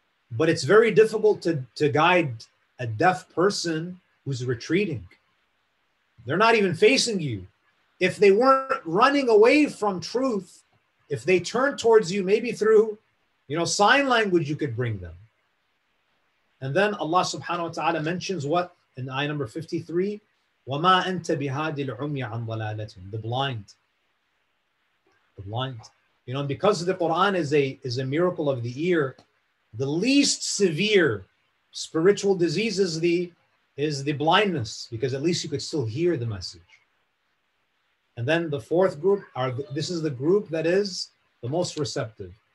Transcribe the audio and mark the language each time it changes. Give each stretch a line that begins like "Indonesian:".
English: But it's very difficult to guide a deaf person who's retreating. They're not even facing you. If they weren't running away from truth, if they turn towards you, maybe through, you know, sign language, you could bring them. And then Allah subhanahu wa ta'ala mentions what? In ayah number 53,
Arabic: وَمَا أَنْتَ بِهَادِ الْعُمْيَ عَنْ ضَلَالَتِهِمْ.
English: The blind. You know, and because the Qur'an is a miracle of the ear, the least severe spiritual disease is the blindness, because at least you could still hear the message. And then the fourth group, this is the group that is the most receptive.